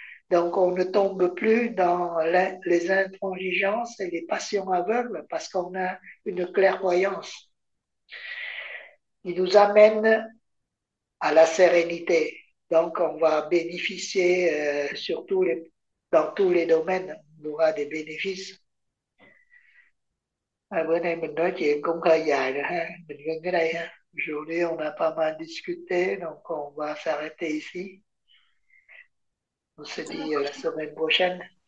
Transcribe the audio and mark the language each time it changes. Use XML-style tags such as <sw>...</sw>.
<fr>Donc on ne tombe plus dans les intransigeances et les passions aveugles parce qu'on a une clairvoyance. Il nous amène à la sérénité. Donc, on va bénéficier surtout dans tous les domaines, on aura des bénéfices.</fr> <vi>À, bữa nay mình nói chuyện cũng hơi dài rồi ha, mình ngưng cái đây ha.</vi> <fr>Aujourd'hui, on a pas mal discuté, donc on va s'arrêter ici. On se dit la semaine prochaine.</fr>